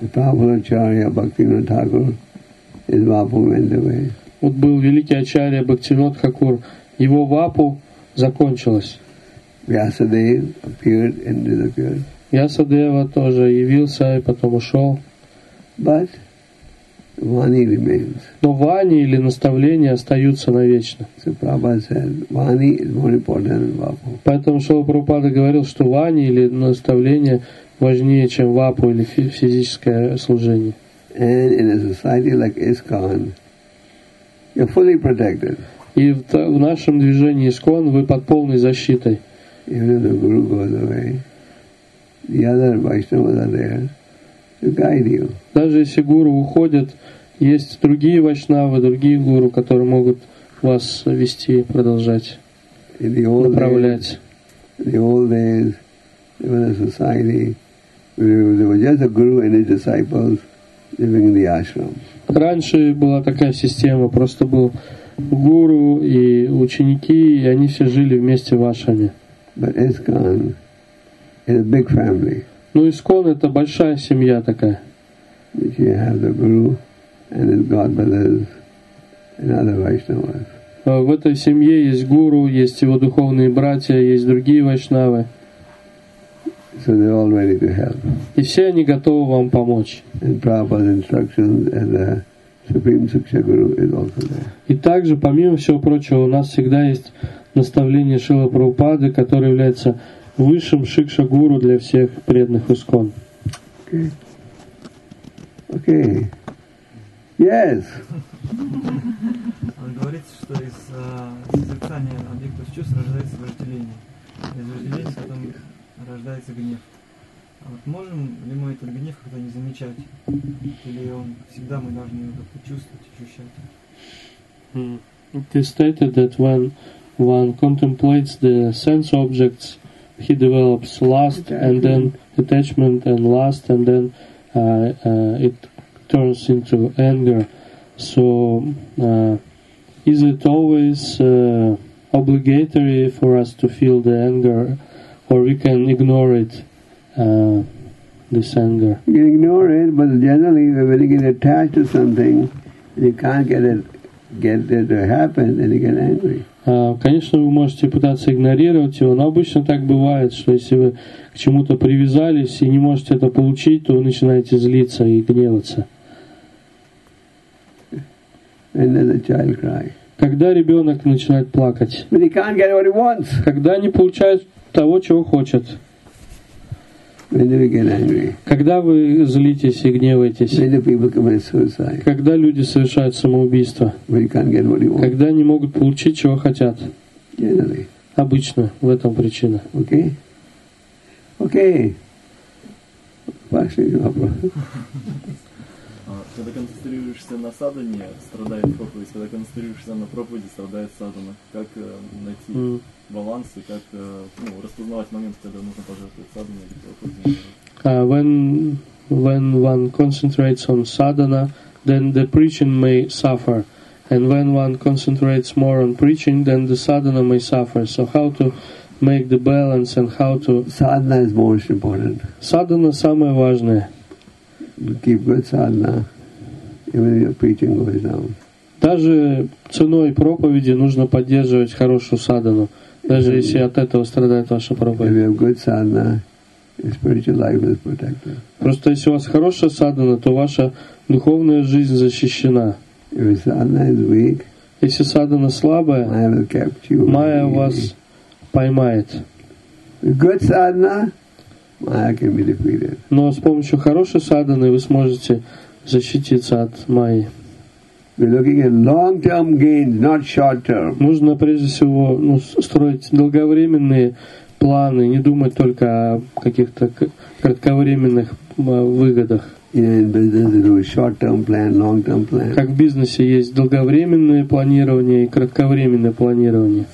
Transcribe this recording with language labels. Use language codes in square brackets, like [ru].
[ru] Вот был великий ачарья Бхактинот Хакур, его вапу закончилась. [en] Vyasadeva appeared and disappeared. [ru] Ясадева тоже явился и потом ушел. [en] But Vani remains. [ru] Но Вани или наставления остаются навечно. [en] So Prabhupada said, Vani is more important than Vapu. [ru] Поэтому Шрила Прабхупада говорил, что Вани или наставления важнее, чем Вапу или физическое служение. [en] And in a society like ISKCON, you're fully protected. [ru] И в нашем движении ISKCON вы под полной защитой. [en] Even if the Guru goes away, the other Vaishnavas are there to guide you. [ru] Даже если гуру уходят, есть другие вайшнавы, другие гуру, которые могут вас вести, продолжать, [en] in the old [ru] направлять. [en] Days, in the old days, there was a society where there was just a guru and his disciples living in the ashram. [ru] Раньше была такая система, просто был гуру и ученики, и они все жили вместе в ашраме. [en] But ISKCON, it's a big family. [ru] Ну, ISKCON – это большая семья такая. [en] Which you have the guru and his godbrothers and other Vaishnavas. [ru] В этой семье есть гуру, есть его духовные братья, есть другие вайшнавы. [en] So they're all ready to help. [ru] И все они готовы вам помочь. [en] And Prabhupada's instructions and the Supreme Siksha Guru is also there. [ru] И также, помимо всего прочего, у нас всегда есть наставление Шрилы Прабхупады, которое является высшим шикша-гуру для всех преданных ISKCON. Окей. [en] Okay. [ru] Окей. [en] Okay. Yes. [ru] Вы говорите, что из созерцания объекта чувств рождается вожделение. Из вожделения потом рождается гнев. А вот можем ли мы этот гнев когда не замечать? Или он всегда мы должны его как-то чувствовать, ощущать? [en] It is stated that when one contemplates the sense objects, he develops lust and then attachment and lust and then it turns into anger. So is it always obligatory for us to feel the anger, or we can ignore it, this anger? You can ignore it, but generally when you get attached to something, you can't get it to happen and you get angry. [ru] Конечно, вы можете пытаться игнорировать его, но обычно так бывает, что если вы к чему-то привязались и не можете это получить, то вы начинаете злиться и гневаться. [en] And then the child cries. [ru] Когда ребенок начинает плакать? [en] But he can't get what he wants. [ru] Когда не получает того, чего хочет? [en] When do we get angry? [ru] Когда вы злитесь и гневаетесь? [en] When do people commit suicide? [ru] Когда люди совершают самоубийство? [en] When you can't get what you want. [ru] Когда не могут получить, чего хотят? [en] Generally. [ru] Обычно в этом причина. Окей? Окей. Пошли вопрос. Когда концентрируешься на садхане, страдает проповедь. Когда концентрируешься на проповеди, страдает садхана. Как найти баланс и как распознавать момент, когда нужно пожертвовать садхану или проповедь? [en] When one concentrates on sadhana, then the preaching may suffer. And when one concentrates more on preaching, then the sadhana may suffer. So how to make the balance and how to... Sadhana is most important. [ru] Sadhana – самое важное. [en] Keep good sadhana, even if your preaching goes down. [ru] Даже ценой проповеди нужно поддерживать хорошую садхану, даже если от этого страдает ваша проповедь. [en] If you have good sadhana, your spiritual life is protected. [ru] Просто если у вас хорошая садхана, то ваша духовная жизнь защищена. [en] If your sadhana is weak, [ru] если садхана слабая, [en] Maya will capture you. [ru] Maya вас поймает. [en] Good sadhana, Maya can be defeated. [ru] Но с помощью хорошей садханы вы сможете защититься от Майи. [en] We're looking at long-term gains, not short-term. [ru] Нужно прежде всего строить долговременные планы, не думать только о каких-то кратковременных выгодах. Как в бизнесе есть долговременное планирование и кратковременное планирование.